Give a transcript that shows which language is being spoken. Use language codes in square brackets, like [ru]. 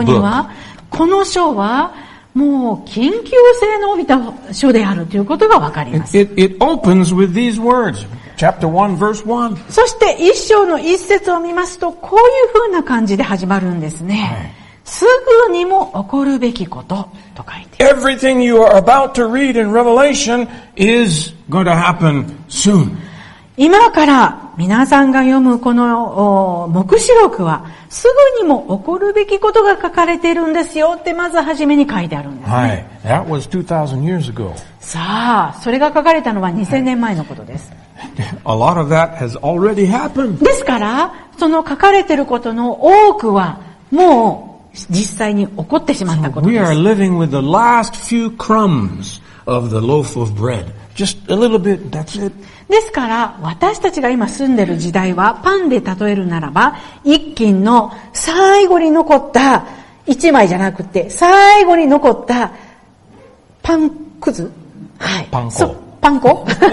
[ja] ここには、この章は、もう緊急性の帯びた書であるということがわかります。 [en] It opens with these words. Chapter 1, verse 1. [ja] そして一章の一節を見ますと、こういう風な感じで始まるんですね。すぐにも起こるべきことと書いてある。 [en] Everything you are about to read in Revelation is going to happen soon. [ja] 今から皆さんが読むこの黙示録は、すぐにも起こるべきことが書かれているんですよってまず初めに書いてあるんですね。 [en] はい。That was 2000 years ago. [ja] さあ、それが書かれたのは2000年前のことです。 [en] A lot of that has already happened. [ja] ですから、その書かれていることの多くは、もう実際に起こってしまったことです。 [en] We are living with the last few crumbs of the loaf of bread. Just a little bit, that's it. [ja] ですから私たちが今住んでる時代はパンで例えるならば一斤の最後に残った一枚じゃなくて最後に残ったパンくず、はい、パン粉パン粉